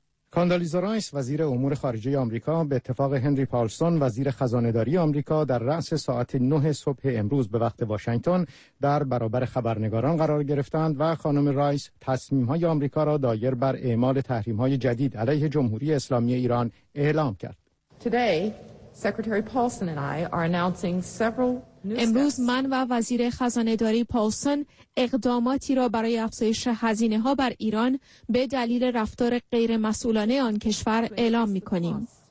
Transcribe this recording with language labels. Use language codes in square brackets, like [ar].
[fa] کاندالیزا رایس وزیر امور خارجه آمریکا به اتفاق هنری پالسون وزیر خزانه‌داری آمریکا در رأس ساعت 9 صبح امروز به وقت واشنگتن در برابر خبرنگاران قرار گرفتند و خانم رایس تصمیم‌های آمریکا را دایر بر اعمال تحریم‌های جدید علیه جمهوری اسلامی ایران اعلام کرد. [en] Today, Secretary Paulson and I are announcing several [fa] امروز من و وزیر خزانه‌داری پالسون اقداماتی را برای افزایش هزینه‌ها بر ایران به دلیل رفتار غیر مسئولانه آن کشور اعلام می‌کنیم.